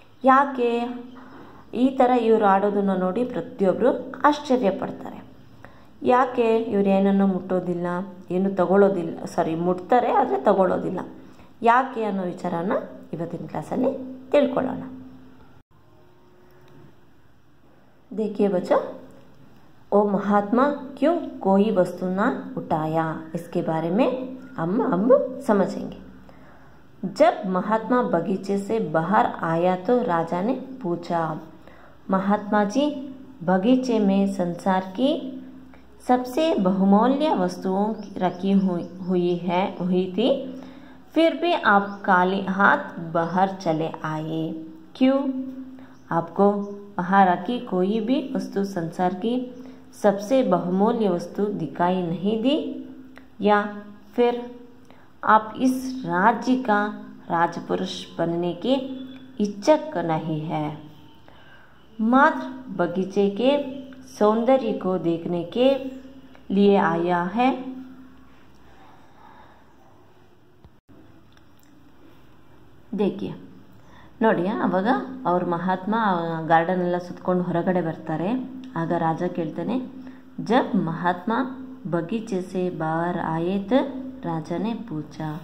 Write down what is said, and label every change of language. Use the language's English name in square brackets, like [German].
[Kannada] ಯಾಕೆ ಈ ಥರ ಇವರು ಆಡೋದನ್ನು ನೋಡಿ ಪ್ರತಿಯೊಬ್ಬರು ಆಶ್ಚರ್ಯಪಡ್ತಾರೆ. ಯಾಕೆ ಇವರೇನನ್ನು ಮುಟ್ಟೋದಿಲ್ಲ, ಏನು ತಗೊಳ್ಳೋದಿಲ್ಲ, ಸಾರಿ ಮುಟ್ತಾರೆ ಆದರೆ ತಗೊಳ್ಳೋದಿಲ್ಲ ಯಾಕೆ ಅನ್ನೋ ವಿಚಾರನ ಇವತ್ತಿನ ಕ್ಲಾಸಲ್ಲಿ ತಿಳ್ಕೊಳ್ಳೋಣ. [Hindi] देखिए बच्चा, ओ महात्मा क्यों कोई वस्तु ना उठाया, इसके बारे में हम अब समझेंगे। जब महात्मा बगीचे से बाहर आया तो राजा ने पूछा, महात्मा जी बगीचे में संसार की सबसे बहुमूल्य वस्तुओं रखी हुई थी, फिर भी आप काले हाथ बाहर चले आए, क्यों? आपको वहाँ रखी कोई भी वस्तु संसार की सबसे बहुमूल्य वस्तु दिखाई नहीं दी, या फिर आप इस राज्य का राजपुरुष बनने की इच्छक नहीं है, मात्र बगीचे के सौंदर्य को देखने के लिए आया है? देखिए [Kannada] ನೋಡಿಯಾ, ಆವಾಗ ಅವ್ರ ಮಹಾತ್ಮ ಗಾರ್ಡನ್ ಎಲ್ಲ ಸುತ್ತಕೊಂಡು ಹೊರಗಡೆ ಬರ್ತಾರೆ. ಆಗ ರಾಜ ಕೇಳ್ತಾನೆ, [Hindi] ಜಬ್ ಮಹಾತ್ಮ ಬಗೀಚೆಸೆ ಬಾರ್ ಆಯೇತ್, ರಾಜನೇ ಪೂಜ.